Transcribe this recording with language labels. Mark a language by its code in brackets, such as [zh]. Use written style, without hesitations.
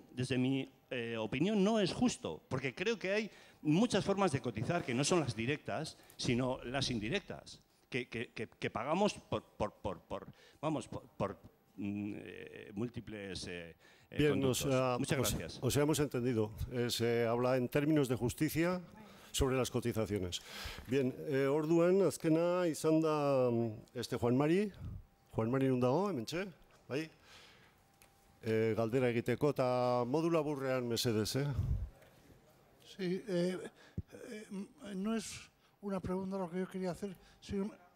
[es] Desde mi opinión no es justo, porque creo que hay muchas formas de cotizar que no son las directas, sino las indirectas, que pagamos por múltiples contratos. Muchas gracias. O sea, hemos entendido. Se habla en términos de justicia sobre las cotizaciones. [eu] Bien, orduan, azkena, izan da Juan Mari nundago, hementxe, bai? Galdera egiteko, eta modu laburrean mesedez, [es] Sí, no es una pregunta lo que yo quería hacer, sino...